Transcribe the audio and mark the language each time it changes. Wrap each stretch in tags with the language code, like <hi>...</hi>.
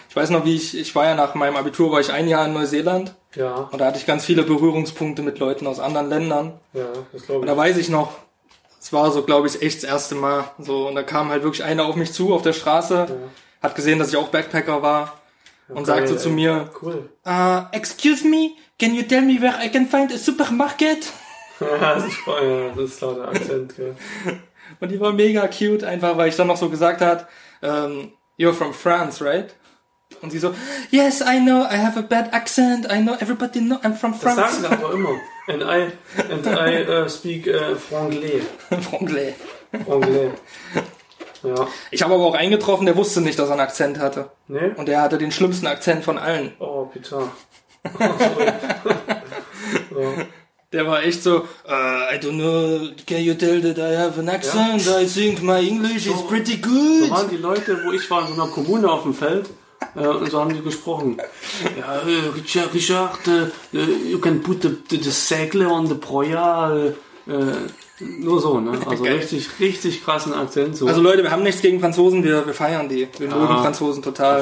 <de>Ich weiß noch, wie ich war ja nach meinem Abitur, war ich ein Jahr in Neuseeland. Ja. Und da hatte ich ganz viele Berührungspunkte mit Leuten aus anderen Ländern. Ja, das glaube ich. Und da weiß ich noch, es war so, glaube ich, echt das erste Mal. So, und da kam halt wirklich einer auf mich zu auf der Straße, hat gesehen, dass ich auch Backpacker war und sagte zu mir, cool.</de> <en>Excuse me, can you tell me where I can find a supermarket?</en> <de>Ja, das ist voll, das ist lauter Akzent, gell. Und die war mega cute, einfach, weil ich dann noch so gesagt hat,</de> <en>you're from France, right?</en> <de>Und sie so,</de> <en>yes, I know, I have a bad accent, I know, everybody know, I'm from France.</en> <de>Das sagen sie aber immer.</de> <en>And I speak franglais.</en> <de>Franglais. Franglais. Ja. Ich habe aber auch einen getroffen, der wusste nicht, dass er einen Akzent hatte. Ne? Und der hatte den schlimmsten Akzent von allen. Oh, Peter. Oh, sorry. Ja. Der war echt so,</de> <en>I don't know, can you tell that I have an accent?</en> <de>Ja.</de> <en>I think my English is pretty good.</en> <de>So waren die Leute, wo ich war, in so einer Kommune auf dem Feld. Und so haben die gesprochen.</de> <en>Ja, Richard, you can put the segle on the Proyal.</en> <de>Nur so, ne? Also geil. Richtig, richtig krassen Akzent. So. Also Leute, wir haben nichts gegen Franzosen, wir feiern die. Wir mögen Franzosen total.</de>